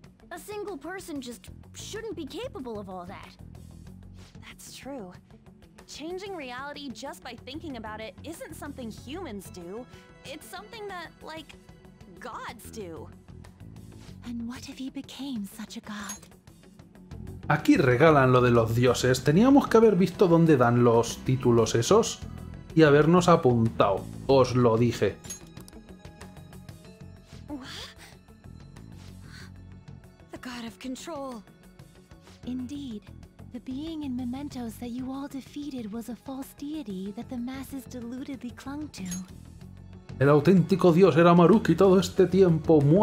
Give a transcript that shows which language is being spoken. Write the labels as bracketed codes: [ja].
[en] A single person just shouldn't be capable of all that. That's true. Changing reality just by thinking about it isn't something humans do. It's something that, like, gods do. And what if he became such a god? [es] Aquí regalan lo de los dioses. Teníamos que haber visto dónde dan los títulos esos y habernos apuntado. Os lo dije. Control. [en] Indeed, the being in Mementos that you all defeated was a false deity that the masses deludedly clung to. [es] El auténtico dios era Maruki todo este tiempo.